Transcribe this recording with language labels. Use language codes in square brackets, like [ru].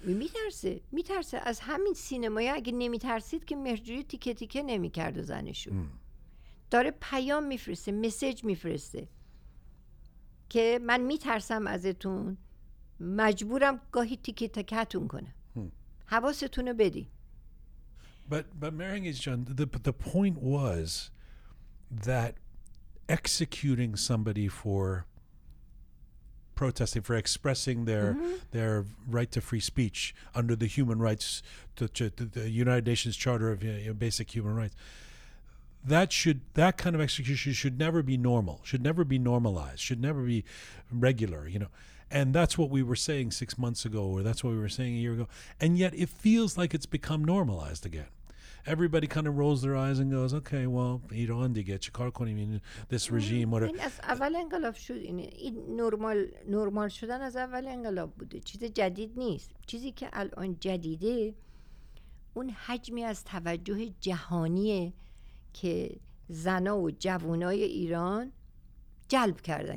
[fa] میترسه میترسه از همین سینمایی اگه نمیترسید که مهرجوی تیکه تیکه نمیکرد و زنشو داره پیام میفرسته مسیج میفرسته که من میترسم ازتون مجبورم گاهی تیکه تکتون کنه حواستونو بدی [en] But Mehrangiz جان the point was that executing somebody for protesting for expressing their their right to free speech under the human rights to the United Nations Charter of Basic Human Rights that kind of execution should never be normal should never be normalized should never be regular you know and that's what we were saying 6 months ago or that's what we were saying a year ago and yet it feels like it's become normalized again Everybody kind of rolls their eyes and goes, okay, well, Iran [fa] dige, چه کار کنیم این [en] this regime, whatever. [fa] این از اول انقلاب شد این نرمال شدن از اول انقلاب بوده. چیز جدید نیست. چیزی که الان جدیده اون حجمی از توجه جهانیه که زنا و جوانای ایران جلب کردن.